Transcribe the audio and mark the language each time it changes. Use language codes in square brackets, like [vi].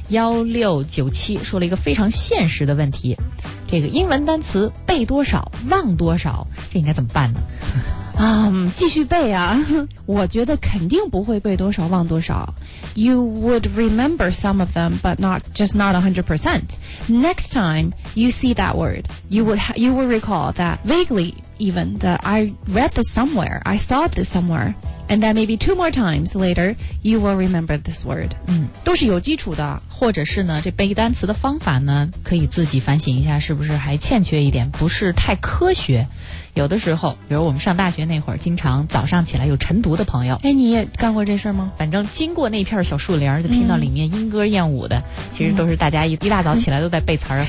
[zh] 1697说了一个非常现实的问题，这个英文单词背多少忘多少，这应该怎么办呢？继续背啊。我觉得肯定不会背多少忘多少。 [en] You would remember some of them, but not 100%. Next time you see that word, you will recall that vaguely, even that I read this somewhere, I saw this somewhere, and then maybe two more times later, you will remember this word. [zh] 嗯，都是有基础的，或者是呢，这背单词的方法呢，可以自己反省一下，是不是还欠缺一点，不是太科学。有的时候比如我们上大学那会儿经常早上起来有晨读的朋友，哎，你也干过这事吗？反正经过那片小树林就听到里面莺歌燕舞的，其实都是大家 一大早起来都在背词儿，